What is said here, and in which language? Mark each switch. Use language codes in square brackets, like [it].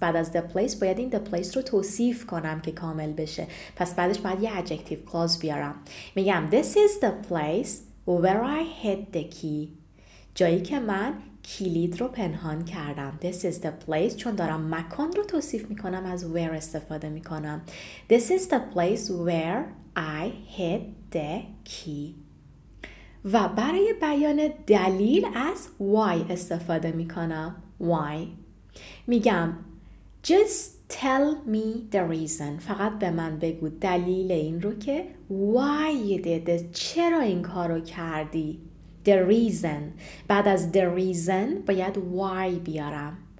[fa] بعد از [en] the place [fa] باید این the place رو توصیف کنم که کامل بشه. پس بعدش باید یه adjective clause بیارم. میگم [en] this is the place. Where I hid the key. [fa] جایی که من کلید رو پنهان کردم. [en] This is the place. [fa] چون دارم مکان رو توصیف میکنم از where استفاده میکنم. [en] This is the place where I hid the key. [fa] و برای بیان دلیل از why استفاده میکنم. [en] Why. [fa] میگم [en] just tell me the reason [fa] فقط به من بگو دلیل این رو که [en] why you did it [fa] چرا این کارو کردی [en] the reason [fa] بعد از the reason باید why بیارم